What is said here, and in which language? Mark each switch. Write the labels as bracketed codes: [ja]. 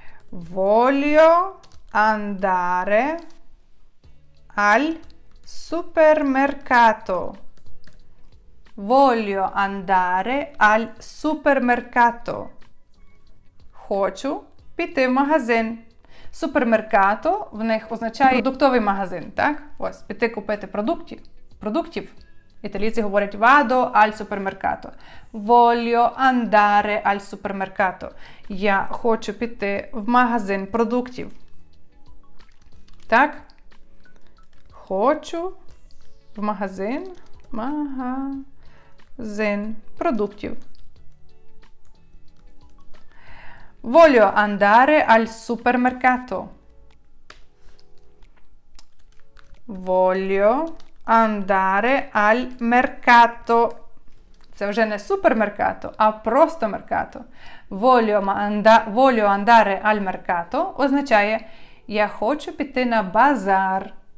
[it] Voglio andare al supermercato. Voglio andare al supermercato. [uk] Хочу піти в магазин. Супермеркато в них означає продуктовий магазин, так? Ось, піти купити продуктів. Італійці говорять [it] «Vado al supermercato». «Voglio andare al supermercato». [uk] Я хочу піти в магазин продуктів. Так? Хочу в магазин продуктів. [it] «Voglio andare al supermercato». «Voglio andare al mercato». [uk] Це вже не супермеркато, а просто меркато. [it] «Voglio andare al mercato» [uk] означає «Я хочу піти на базар».